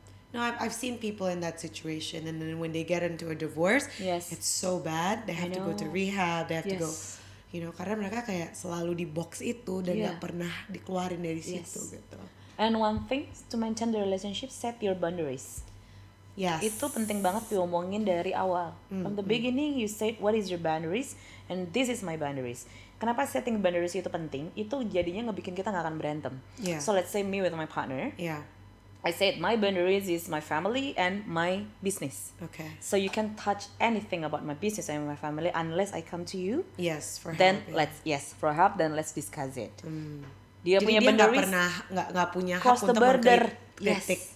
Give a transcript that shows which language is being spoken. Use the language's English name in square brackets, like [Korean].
[English] No, I've seen people in that situation, and then when they get into a divorce, it's so bad. They have to go to rehab. They have to go, you know, [Indonesian] karena mereka kayak selalu di box itu dan nggak pernah dikeluarin dari situ gitu. [English] And one thing to maintain the relationship, set your boundaries. Yes. [Indonesian] Itu penting banget diomongin dari awal. Mm-hmm. [English] From the beginning, you said what is your boundaries, and this is my boundaries. [Indonesian] Kenapa setting boundaries itu penting? Itu jadinya ngebikin kita nggak akan berantem. [English] Yeah. So let's say me with my partner. Yeah. I said my boundaries is my family and my business. Okay. So you can't touch anything about my business and my family unless I come to you. Yes, for help. Then let's discuss it. Mm. [Indonesian] Dia jadi punya dia [English] boundaries. [Indonesian] Dia nggak pernah nggak punya hak untuk mengkritik.